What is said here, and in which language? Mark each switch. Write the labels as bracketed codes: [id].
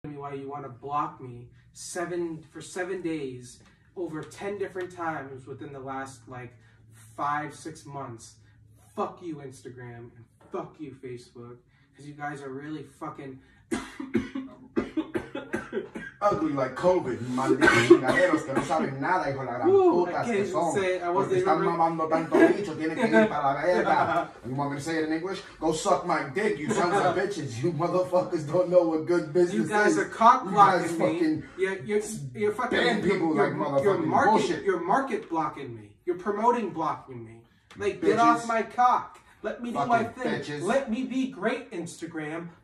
[en] why you want to block me for seven days over 10 different times within the last like 5-6 months. Fuck you, Instagram, and fuck you, Facebook, because you guys are really fucking ugly like COVID. [es] Maldiganeros que no saben nada, hijo de la gran puta que son. Porque están mamando tanto bicho, tienen que ir para la verga. [en] You want me to say it in English? Go suck my dick, you sons of bitches. You motherfuckers don't know what good business is. You guys are cock blocking me. You're fucking banning people like motherfucking bullshit. You're market blocking me. You're promoting blocking me. Like, get off my cock. Let me do my thing. Let me be great, Instagram.